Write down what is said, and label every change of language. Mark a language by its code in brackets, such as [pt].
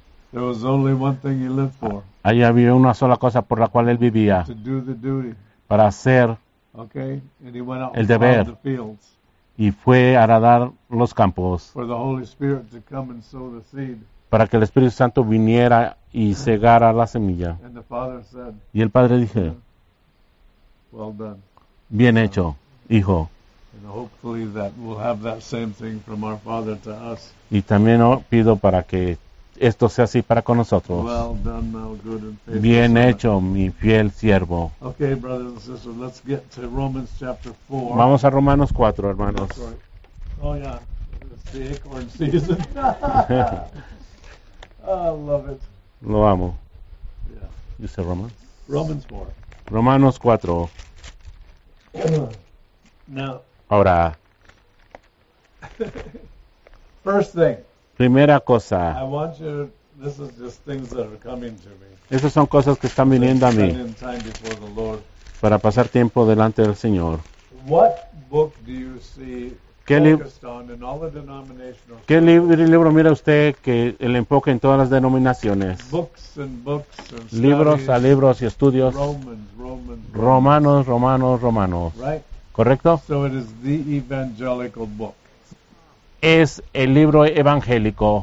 [en] There was only one thing he lived for. [es] Ahí había una sola cosa por la cual él vivía. [en] To do the duty. [es] Para hacer [en] okay. And he went out [es] el deber. [en] The fields. [es] Y fue a arar los campos [en] for the Holy Spirit to come and sow the seed. [es] Para que el Espíritu Santo viniera y segara la semilla. [en] And the Father said, [es] y el Padre dije, [en] well done. [es] Bien hecho, hijo. [en] And hopefully that we'll have that same thing from our Father to us. [es] Y también pido para que esto sea así para con nosotros. [en] Well done, now good and faithful. [es] Bien hecho, mi fiel siervo. [en] Okay, brothers and sisters, let's get to Romans chapter 4. [es] Vamos a Romanos 4, hermanos. [en] Right. Oh, yeah. It's the acorn season. I love it. [es] Lo amo. [en] Yeah. You say Romans? Romans 4. [es] Romanos 4. [en] Now. [es] Ahora. [en] First thing. [es] Primera cosa. [en] I want you, this is just things that are coming to me. [es] Esas son cosas que están viniendo a mí. [en] Spending time before the Lord. [es] Para pasar tiempo delante del Señor. [en] What book do you see focused on in all the denominational? [es] ¿Qué libro mira usted que el enfoque en todas las denominaciones? [en] Books and books and studies. [es] Libros a libros y estudios. [en] Romans. [es] Romanos, Romanos, Romanos. [en] Right. [es] ¿Correcto? [en] So it is the evangelical book. [es] Es el libro evangélico.